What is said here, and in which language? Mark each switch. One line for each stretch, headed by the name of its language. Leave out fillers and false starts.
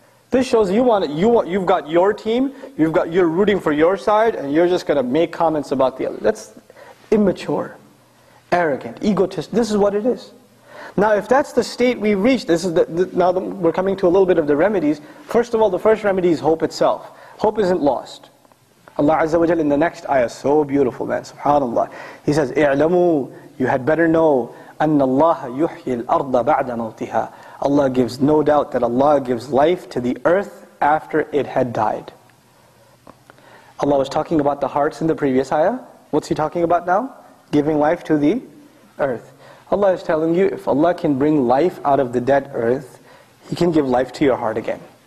English: This shows you've got your team, you're rooting for your side, and you're just going to make comments about the other. That's immature, arrogant, egotist. This is what it is. Now, if that's the state we reach, we're coming to a little bit of the remedies. First of all, the first remedy is hope itself. Hope isn't lost. Allah Azza wa Jalla in the next ayah, so beautiful, man, subhanAllah. He says,
Arabic: اعلموا,
English: you had better know,
Arabic: أن الله يحيي الأرض بعد موتها.
English: Allah gives no doubt that Allah gives life to the earth after it had died. Allah was talking about the hearts in the previous ayah. What's He talking about now? Giving life to the earth. Allah is telling you, if Allah can bring life out of the dead earth, He can give life to your heart again.